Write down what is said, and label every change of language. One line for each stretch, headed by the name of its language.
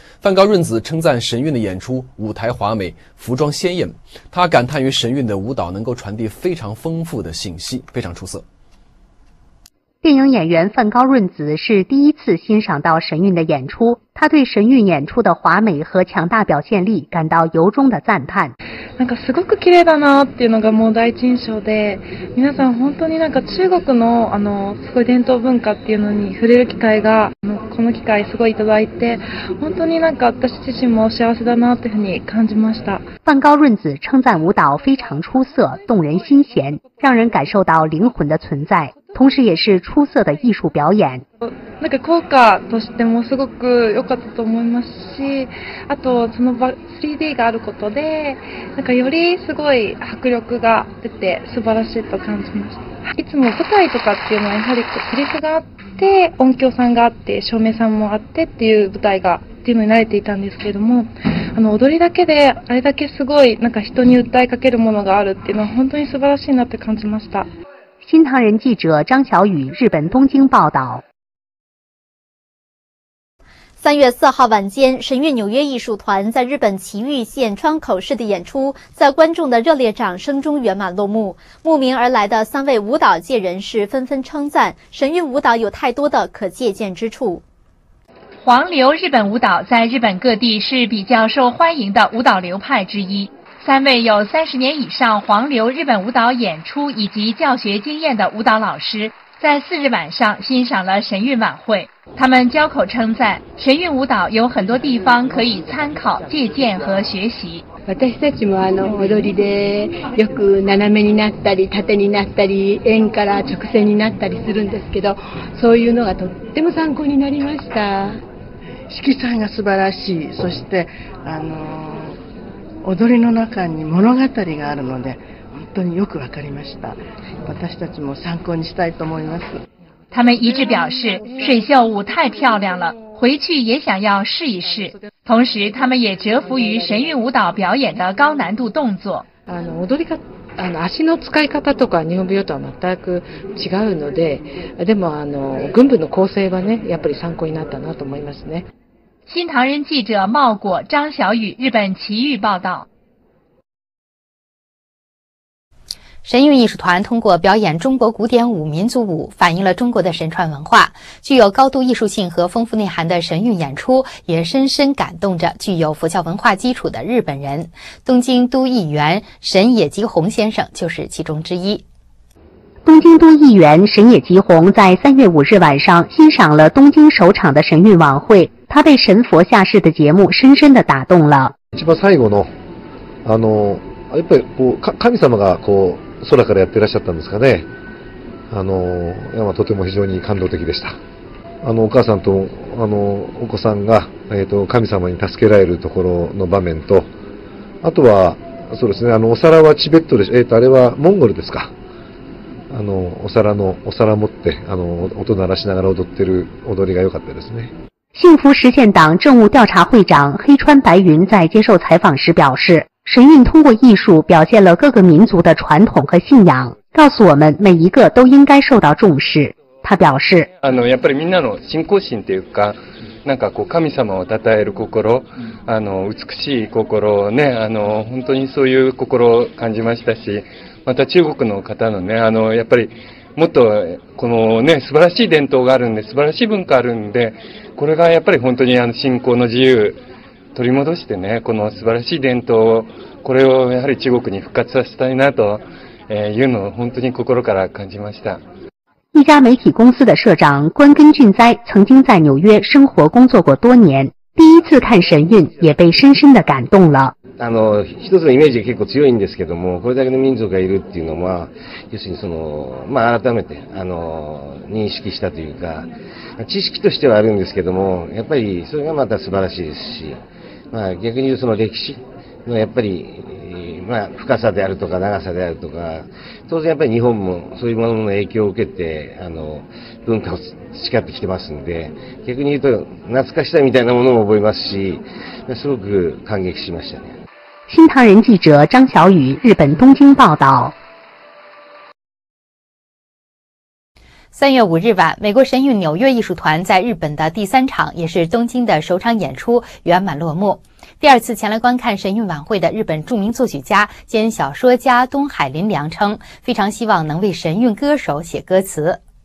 Chinese: 范高润子称赞神韵的演出舞台华美，服装鲜艳，他感叹于神韵的舞蹈能够传递非常丰富的信息，非常出色。电影演员范高润子是第一次欣赏到神韵的演出，他对神韵演出的华美和强大表现力感到由衷的赞叹。
Japanese: なんかすごく綺麗だなっていうのがもう第一印象で、皆さん本当になんか中国のあのすごい伝統文化っていうのに触れる機会がこの機会すごいいただいて、本当になんか私自身も幸せだなというふうに感じました。
Chinese: 范高润子称赞舞蹈非常出色，动人心弦，让人感受到灵魂的存在。同时也是出色的艺术表演。
Japanese: なんか効果としてもすごく良かったと思いますし、あとその 3D があることで、なんかよりすごい迫力が出て素晴らしいと感じました。いつも舞台とかっていうのはやはりセリフがあって、音響さんがあって、照明さんもあってっていう舞台がっていうのに慣れていたんですけれども、あの踊りだけであれだけすごいなんか人に訴えかけるものがあるっていうのは本当に素晴らしいなって感じました。
Chinese: 新唐人记者张小雨，日本东京报道。 3月4号晚间，神韵纽约艺术团在日本埼玉县川口市的演出在观众的热烈掌声中圆满落幕。慕名而来的三位舞蹈界人士纷纷称赞神韵舞蹈有太多的可借鉴之处。黄流日本舞蹈在日本各地是比较受欢迎的舞蹈流派之一。三位有30年以上黄流日本舞蹈演出以及教学经验的舞蹈老师在4日晚上欣赏了神韵晚会，他们交口称赞神韵舞蹈有很多地方可以参考借鉴和学习。
Japanese: 私たちもあの踊りでよく斜めになったり縦になったり円から直線になったりするんですけど、そういうのがとっても参考になりました。色彩が素晴らしい、そしてあの踊りの中に物語があるので本当によく分かりました。私たちも参考にしたいと思います。
Chinese: 他们一致表示水秀舞太漂亮了，回去也想要试一试，同时他们也折服于神韵舞蹈表演的高难度动作。
Japanese: あの踊りがあの足の使い方とか日本舞踊とは全く違うので、でもあの群舞の構成はねやっぱり参考になったなと思いますね。
Chinese: 新唐人记者茂果、张小雨，日本埼玉报道。神韵艺术团通过表演中国古典舞、民族舞，反映了中国的神传文化。具有高度艺术性和丰富内涵的神韵演出，也深深感动着具有佛教文化基础的日本人。东京都议员神野吉宏先生就是其中之一。东京都议员神野吉宏在3月5日晚上欣赏了东京首场的神韵晚会，他被神佛下士的节目深深地打动了。
Japanese: 一番最後 の, あのやっぱりこう神様がこう空からやってらっしゃったんですかね。あのいや、まあ、とても非常に感動的でした。あのお母さんとあのお子さんが、神様に助けられるところの場面と、あとはそうですね、あのお皿はチベットで、あれはモンゴルですか。あのお皿のお皿持ってあの音鳴らしながら踊ってる踊りが良かったですね。
Chinese: 幸福实践党政务调查会长黑川白云在接受采访时表示，神韵通过艺术表现了各个民族的传统和信仰，告诉我们每一个都应该受到重视。他表示，
Japanese: あのやっぱりみんなの信仰心というか、なんかこう神様を讃える心、あの美しい心ね、あの本当にそういう心を感じましたし、また中国の方のね、あのやっぱりもっとこのね素晴らしい伝統があるんで、素晴らしい文化があるんで、これがやっぱり本当にあの信仰の自由取り戻してね、この素晴らしい伝統を、これをやはり中国に復活させたいなというのを本当に心から感じました。
Chinese: 一家媒体公司的社长关根俊哉曾经在纽约生活工作过多年，第一次看神韵也被深深的感动了。
Japanese: あの一つのイメージが結構強いんですけども、これだけの民族がいるっていうのは、要するにそのまあ改めてあの認識したというか、知識としてはあるんですけども、やっぱりそれがまた素晴らしいですし、まあ逆に言うその歴史のやっぱり。まあ、深さであるとか長さであるとか、当然やっぱり日本もそういうものの影響を受けてあの文化を培ってきてますんで、逆に言うと懐かしさみたいなものも覚えますし、すごく感激しましたね。
Chinese: 新唐人記者张小雨、日本东京报道。 3月5日晚，美国神韵纽约艺术团在日本的第三场，也是东京的首场演出圆满落幕。第二次前来观看神韵晚会的日本著名作曲家兼小说家东海麟良称，非常希望能为神韵歌手写歌词。